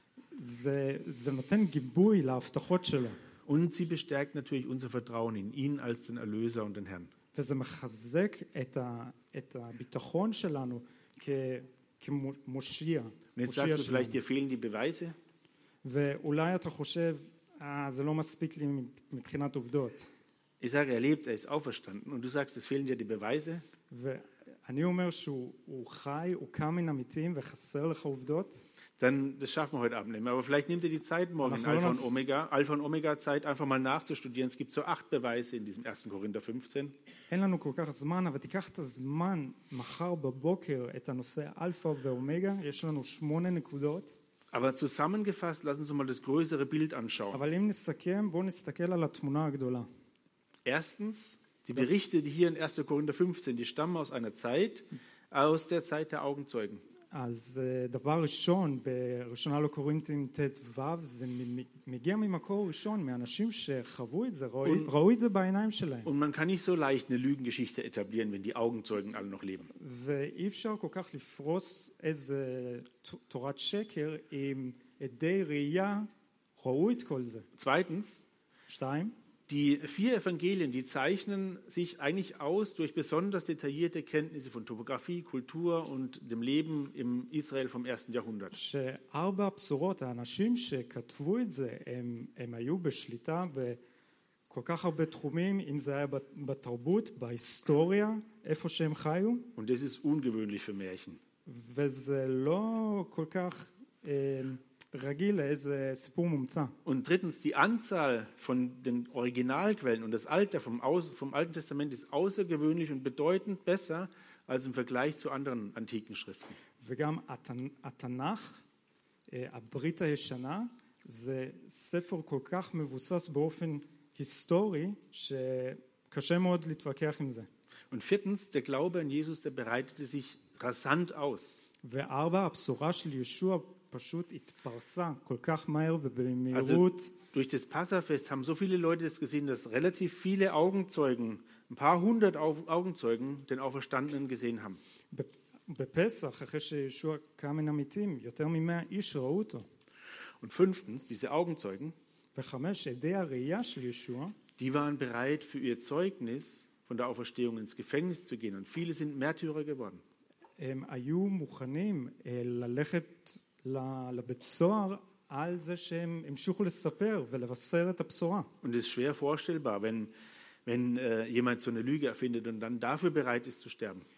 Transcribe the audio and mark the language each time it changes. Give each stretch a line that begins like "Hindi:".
Hebrew: זה נותן גיבוי להבטחות שלו.
German: Und sie bestärkt natürlich unser Vertrauen in ihn als den Erlöser und den Herrn.
Hebrew: וזה מחזק את הביטחון שלנו כמושיע.
German: Und jetzt sagst du, vielleicht dir fehlen die Beweise.
Hebrew: ואולי אתה חושב, זה לא מספיק לי מבחינת עובדות.
German: Ich sage, er lebt, er ist auferstanden. Und du sagst, es fehlen dir die Beweise.
Hebrew: אני אומר שהוא חי, הוא קם מן המתים וחסר לך עובדות.
German: Dann das schaffen wir heute Abend nicht mehr. Aber vielleicht nehmt ihr die Zeit morgen in Alpha und Omega, Alpha und Omega Zeit, einfach mal nachzustudieren. Es gibt so 8 Beweise in diesem 1. Korinther 15.
Hebrew: אין לנו כל כך זמן, אבל תיקח את הזמן מחר בבוקר את הנושא Alpha ו-Omega. יש לנו 8 נקודות.
German: Aber zusammengefasst, lassen Sie mal das größere Bild anschauen.
Hebrew: אבל אם נסכם, בוא נסתכל על התמונה הגדולה.
German: Erstens, die Berichte, die hier in 1. Korinther 15, die stammen aus einer Zeit, aus der Zeit der Augenzeugen.
Hebrew: אז דבר ראשון, בראשונה לקורינתים ט"ו, זה מגיע ממקור ראשון, מאנשים שחוו את זה, ראו את זה בעיניים שלהם.
German: Und man kann nicht so leicht eine Lügengeschichte etablieren, wenn die Augenzeugen alle noch leben.
Hebrew: ואי אפשר כל כך לפרוס איזה תורת שקר, אם עדי ראייה ראו את כל זה.
German: Zweitens.
Hebrew: שתיים.
German: Die 4 Evangelien, die zeichnen sich eigentlich aus durch besonders detaillierte Kenntnisse von Topographie, Kultur und dem Leben im Israel vom 1. Jahrhundert.
Hebrew: ארבעה בשורות, האנשים שכתבו את זה, הם היו בשליטה בכל כך הרבה תחומים, אם זה היה בתרבות, בהיסטוריה, איפה שהם חיו.
German: Und das ist ungewöhnlich für Märchen.
Hebrew: וזה לא כל כך רגיל לאיזה סיפור מומצא.
German: Und drittens, die Anzahl von den Originalquellen und das Alter vom Alten Testament ist außergewöhnlich und bedeutend besser als im Vergleich zu anderen antiken Schriften.
Hebrew: וגם התנ"ך, הברית הישנה, זה ספר כל כך מבוסס באופן היסטורי שקשה מאוד להתווכח עם זה.
German: Und viertens, der Glaube an Jesus, der bereitete sich rasant aus.
Hebrew: וארבע, הבשורה של ישוע פשוט התפרסה כל כך מהר ובמהירות.
German: Durch das Passafest haben so viele Leute das gesehen, dass relativ viele Augenzeugen, ein paar hundert Augenzeugen, den Auferstandenen gesehen haben.
Hebrew: בפסח, אחרי שישוע קם מן המתים, יותר מ-100 איש ראו אותו.
German: Und fünftens, diese Augenzeugen,
Hebrew: וחמש, עדי הראייה של ישוע,
German: die waren bereit für ihr Zeugnis von der Auferstehung ins Gefängnis zu gehen und viele sind Märtyrer geworden.
Hebrew: הם היו מוכנים ללכת לבית סוהר על זה שהם המשיכו לספר ולבשר את הבשורה.
German: Und es ist schwer vorstellbar, wenn jemand so eine Lüge erfindet und dann dafür bereit ist zu sterben.